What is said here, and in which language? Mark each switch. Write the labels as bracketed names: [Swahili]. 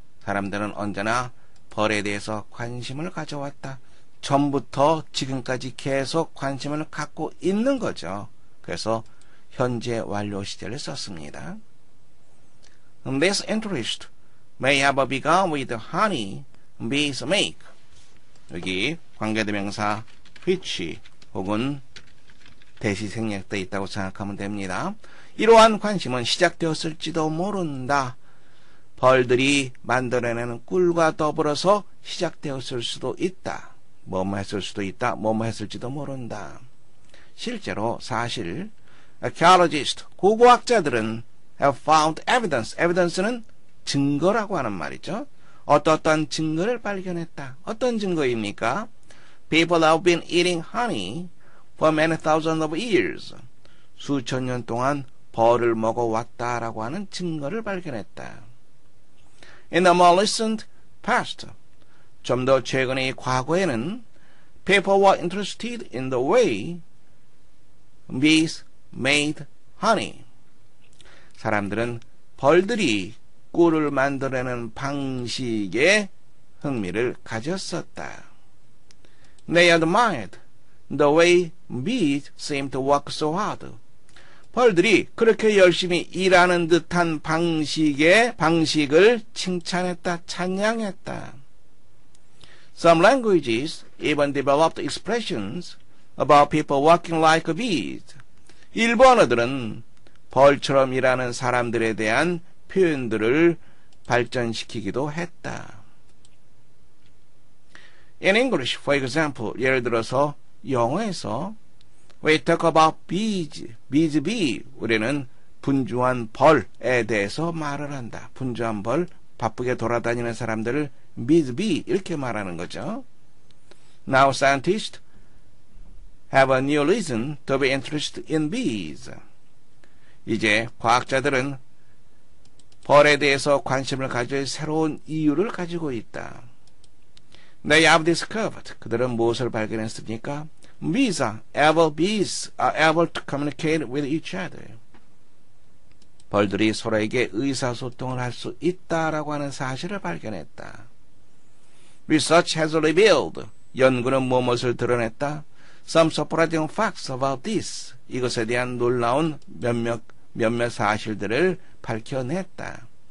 [Korean] 사람들은 언제나 벌에 대해서 관심을 가져왔다. 전부터 지금까지 계속 관심을 갖고 있는 거죠. 그래서 현재 완료 시제를 썼습니다. [English] This interest may have begun with honey bees make. [Korean] 여기 관계대명사 which 혹은 대시 생략되어 있다고 생각하면 됩니다. 이러한 관심은 시작되었을지도 모른다. 벌들이 만들어내는 꿀과 더불어서 시작되었을 수도 있다. 뭐뭐 했을 수도 있다. 뭐뭐 했을지도 모른다. 실제로 사실 archaeologist 고고학자들은 [English] have found evidence. [Korean] evidence는 증거라고 하는 말이죠. 어떤 증거를 발견했다. 어떤 증거입니까? [English] People have been eating honey for many thousands of years. [Korean] 수천 년 동안 벌을 먹어왔다라고 하는 증거를 발견했다. [English] In the more recent past, [Korean] 좀 더 최근의 과거에는 [English] people were interested in the way bees made honey. [Korean] 사람들은 벌들이 꿀을 만들어내는 방식에 흥미를 가졌었다. [English] They admired the way bees seemed to work so hard. [Korean] 벌들이 그렇게 열심히 일하는 듯한 방식을 칭찬했다, 찬양했다. [English] Some languages even developed expressions about people working like bees. [Korean] 일부 언어들은 벌처럼 일하는 사람들에 대한 표현들을 발전시키기도 했다. [English] In English, for example, [Korean] 예를 들어서 영어에서 [English] We talk about bees, [Korean] 우리는 분주한 벌에 대해서 말을 한다. 분주한 벌, 바쁘게 돌아다니는 사람들을 bees, 이렇게 말하는 거죠. [English] Now scientists have a new reason to be interested in bees. [Korean] 이제 과학자들은 벌에 대해서 관심을 가질 새로운 이유를 가지고 있다. [English] They have discovered. [Korean] 그들은 무엇을 발견했습니까? [English] Bees are able, to communicate with each other. [Korean] 벌들이 서로에게 의사소통을 할 수 있다라고 하는 사실을 발견했다. [English] Research has revealed. [Korean] 연구는 무엇을 드러냈다? [English] Some surprising facts about this. [Korean] 이것에 대한 놀라운 몇몇 사실들을 밝혀냈다.